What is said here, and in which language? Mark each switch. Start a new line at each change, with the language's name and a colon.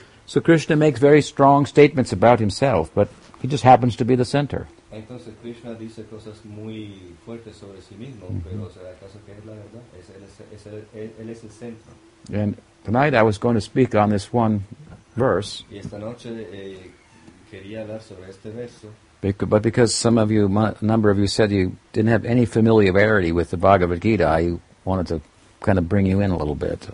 English: So Krishna makes very strong statements about himself, but he just happens to be the center.
Spanish: Entonces Krishna dice cosas muy fuertes sobre sí mismo, pero ¿será acaso que es la verdad? Él es el centro.
English: And tonight I was going to speak on this one verse.
Spanish: Y esta noche quería hablar sobre este verso.
English: But because some of you, a number of you said you didn't have any familiarity with the Bhagavad Gita, I wanted to kind of bring you in a little bit.